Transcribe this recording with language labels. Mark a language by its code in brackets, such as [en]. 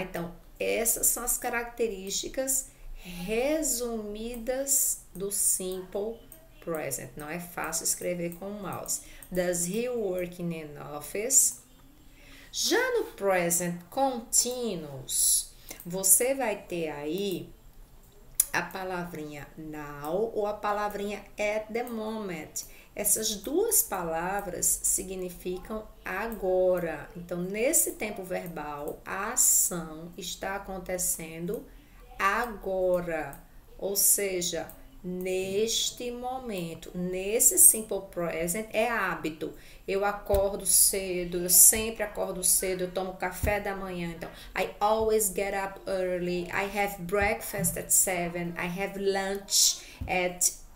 [pt] Então, essas são as características resumidas do simple present. Não é fácil escrever com o mouse. [en] Does he work in an office? [pt] Já no present continuous, você vai ter aí a palavrinha now ou a palavrinha at the moment. Essas duas palavras significam agora. Então, nesse tempo verbal, a ação está acontecendo agora. Ou seja, neste momento, nesse simple present, é hábito. Eu acordo cedo, eu sempre acordo cedo, eu tomo café da manhã. [en] Então, I always get up early, I have breakfast at 7, I have lunch at